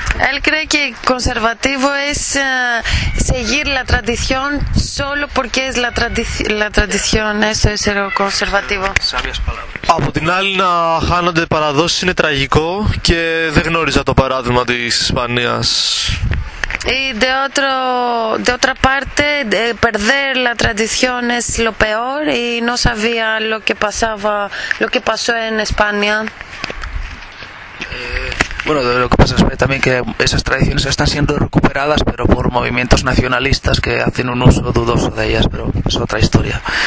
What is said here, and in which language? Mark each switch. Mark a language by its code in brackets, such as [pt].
[es] Él cree que conservativo es seguir la tradición solo porque es la tradición, eso es ser conservativo. Sabias palabras. [el] Από την άλλη, να χάνονται παραδόσεις είναι τραγικό και δεν γνώριζα το παράδειγμα της Ισπανίας. [es] Y de otra parte, perder la tradición es lo peor y no sabía lo que pasó en España. Bueno, lo que pasa es también que esas tradiciones están siendo recuperadas, pero por movimientos nacionalistas que hacen un uso dudoso de ellas, pero es otra historia.